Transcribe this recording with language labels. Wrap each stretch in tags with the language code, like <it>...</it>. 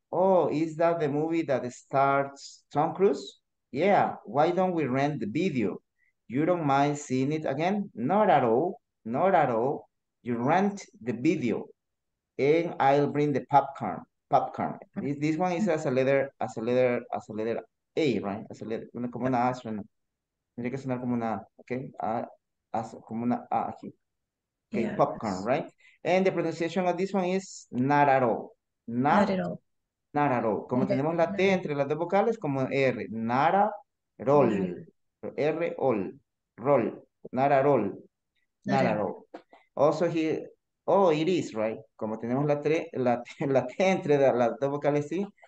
<en>Oh, is that the movie that stars Tom Cruise? Yeah, why don't we rent the video? You don't mind seeing it again? Not at all. You rent the video and I'll bring the popcorn. This one is as a letter A, right? As a letter,</en> <es>como una A, tendría que sonar como una A, okay?</es> <en>Okay, yes. Popcorn, right? And the pronunciation of this one is not at all. Not at all.</en> <es>Como okay. Tenemos la T entre las dos vocales, como R. Nara, roll. R, all. Roll. Nara, roll. Nara, roll.</es> <en>Also, it is, right?</en> <es>Como tenemos la T entre las dos vocales, sí.</es>